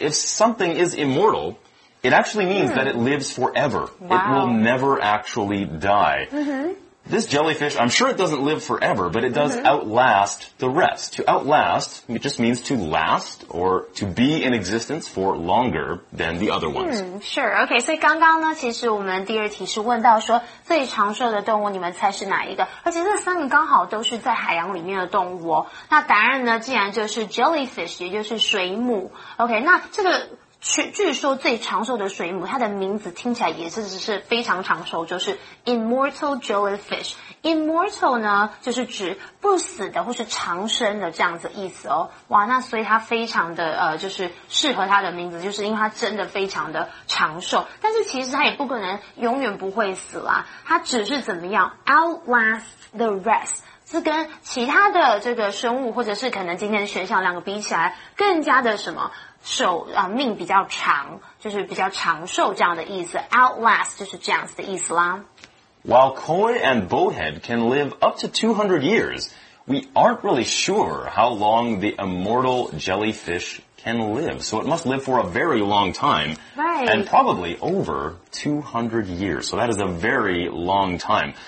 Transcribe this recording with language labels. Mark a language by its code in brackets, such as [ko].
[en] If something is immortal, it actually means that it lives forever. Wow. It will never actually die. This jellyfish, I'm sure it doesn't live forever, but it does outlast the rest. To outlast, it just means to last or to be in existence for longer than the other ones. Sure. [zh] Okay, 所以刚刚呢，其实我们第二题是问到说最长寿的动物你们猜是哪一个？而且这三个刚好都是在海洋里面的动物哦。那答案呢，竟然就是 jellyfish, 也就是水母。Okay, 那这个据说最长寿的水母，它的名字听起来也是非常长寿，就是 immortal jellyfish。 immortal 呢，就是指不死的或是长生的这样子意思哦。哇，那所以它非常的就是适合它的名字，就是因为它真的非常的长寿。但是其实它也不可能永远不会死啦，它只是怎么样 [en] outlast the rest。 [zh] 是跟其他的这个生物，或者是可能今天的选项两个比起来，更加的什么寿啊、命比较长，就是比较长寿这样的意思。 Outlast 就是这样子的意思啦。 [en] While koi and bowhead can live up to 200 years, we aren't really sure how long the immortal jellyfish can live. So it must live for a very long time, right? And probably over 200 years. So that is a very long time.